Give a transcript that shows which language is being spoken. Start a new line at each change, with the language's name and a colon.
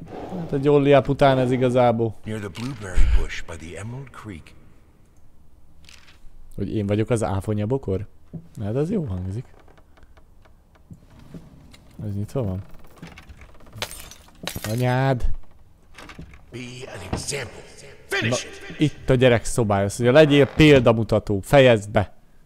Hungarian: Hát egy olliap után ez igazából.
English: Near the blueberry bush by the Emerald Creek.
Hungarian: Hogy én vagyok az áfonya bokor? Hát ez jó hangzik. Ez nyitva van. Anyád!
English: Be an example. Finish it!
Hungarian: Itt a gyerek szobája, szóval legyél példamutató, fejezd be!